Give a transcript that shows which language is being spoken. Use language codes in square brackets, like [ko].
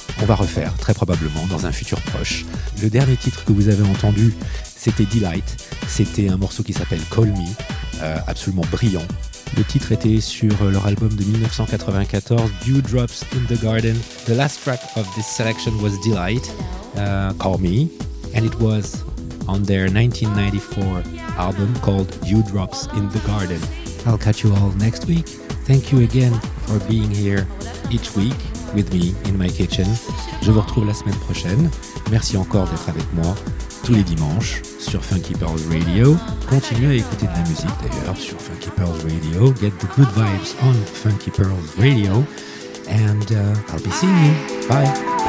[fr] On va refaire, très probablement, dans un futur proche. Le dernier titre que vous avez entendu, c'était Delight. C'était un morceau qui s'appelle Call Me, absolument brillant. Le titre était sur leur album de 1994, Dewdrops in the Garden. [en] The last track of this selection was Delight, Call Me, and it was on their 1994 album called Dewdrops in the Garden. I'll catch you all next week. Thank you again for being here each week with me in my kitchen. [fr] Je vous retrouve la semaine prochaine. Merci encore d'être avec moi tous les dimanches sur Funky Pearls Radio. Continuez à écouter de la musique d'ailleurs sur Funky Pearls Radio. [en] Get the good vibes on Funky Pearls Radio. And I'll be seeing you. Bye.